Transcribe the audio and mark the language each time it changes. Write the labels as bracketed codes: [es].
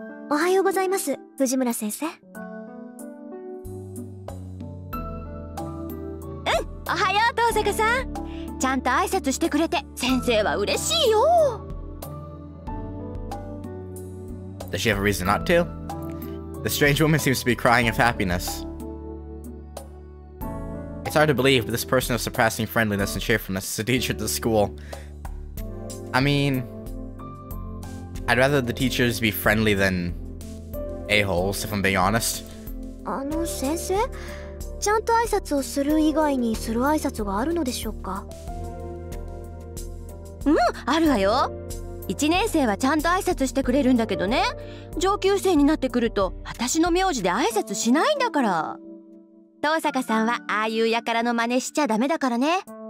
[ja] おはようございます、藤村先生。うん、おはよう、遠坂さん。ちゃんと挨拶してくれて、先生は嬉しいよ。 [en] Does she have a reason not to? The strange woman seems to be crying of happiness. It's hard to believe, but this person of surpassing friendliness and cheerfulness is a teacher at the school. I mean, I'd rather the teachers be friendly than a-holes, if I'm being honest. [ja] Sensei? ちゃんと挨拶をする以外にする挨拶があるのでしょうか? あるわよ! 1年生はちゃんと挨拶してくれるんだけどね 上級生になってくると私の名字で挨拶しないんだから 東坂さんはああいうやからの真似しちゃダメだからね